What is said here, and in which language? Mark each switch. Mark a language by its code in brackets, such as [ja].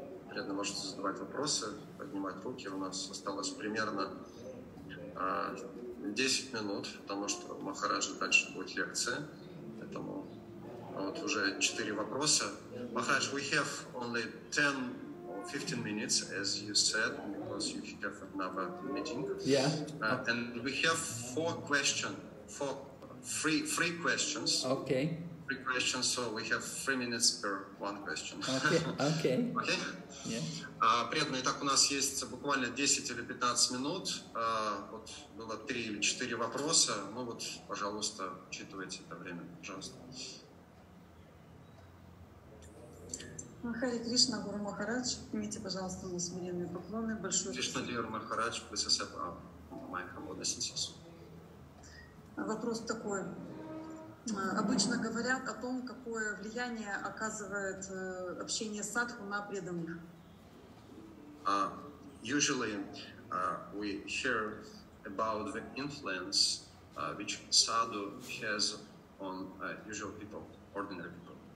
[ru] Преданно можете задавать вопросы, поднимать руки. У нас осталось примерно 10 минут, потому что Махараджа дальше будет лекция. Поэтому вот уже 4 вопроса. [en] Махарадж, we have only 10 or 15 minutes, as you said, because you have another meeting. Yeah. And we have three questions. Okay. Three questions, so we have 3 minutes per one question. Okay. Okay. Yeah. [ru] Преданные, так у нас есть буквально 10 или 15 минут. Вот было 3 или 4 вопроса. Ну вот, пожалуйста, учитывайте это время, пожалуйста. Хари Кришна Гуру Махарадж, примите, пожалуйста, мои смиренные поклоны. Большое Кришна Гуру Махарадж, Прасаса Прабху, Майхаму Насинсису. Вопрос такой. Обычно говорят о том, какое влияние оказывает общение садху на преданных. [en] Usually we hear about the influence which sadhu has on usual people, ordinary people.